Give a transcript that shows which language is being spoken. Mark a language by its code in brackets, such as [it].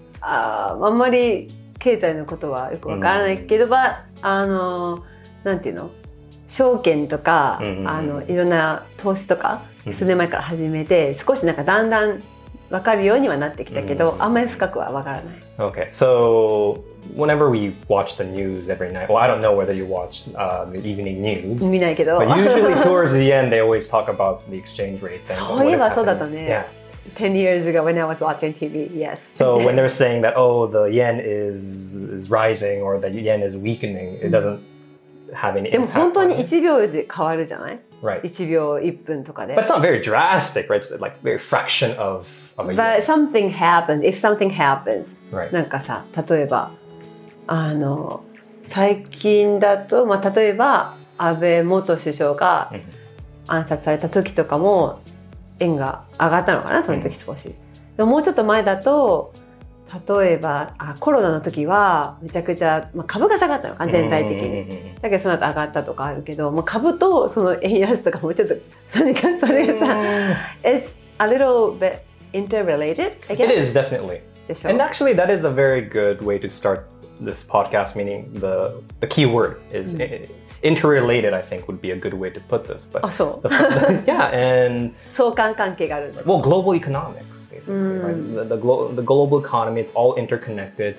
[ja] あんまり経済のことはよくわからないけど、mm. あのなんていうの証券とか、mm-hmm. あのいろんな投資とか数年前から始めて、mm-hmm. 少しなんかだんだんわかるようにはなってきたけど、mm-hmm. あんまり深くはわからない。 [en] Okay, so whenever we watch the news every night, well, I don't know whether you watch the evening news. [ja] 見ないけど。 [en] But usually towards the end, they always talk about the exchange rates. And [ja] そういえばそうだったね。 [en] Yeah. 10 years ago when I was watching TV, yes. So when they're saying that, oh, the yen is rising or the yen is weakening, it doesn't have any impact. [ja] でも本当に1秒で変わるじゃない? [en] Right. [ja] 1秒1分とかで。 [en] But it's not very drastic, right? It's like very fraction of a yen. But something happens, if something happens. Right. [ja] なんかさ、例えば、最近だと、まあ、例えば安倍元首相が暗殺された時とかも、円が上がったのかな、その時少し、うん、でももうちょっと前だと例えばコロナの時はめちゃくちゃ、まあ、株が下がったのかな全体的にだけどその後上がったとかあるけど、まあ、株とその円安とかもちょっと何かそれがさ [en] It's a little bit interrelated, I guess. It is, definitely. [ja] でしょ? [en] And actually that is a very good way to start this podcast, meaning the key word is、うん、interrelated, I think, would be a good way to put this. But so? Yeah, and... [ja] 相関関係がある。 [en] Well, global economics, basically.、Mm. Right? The global economy, it's all interconnected.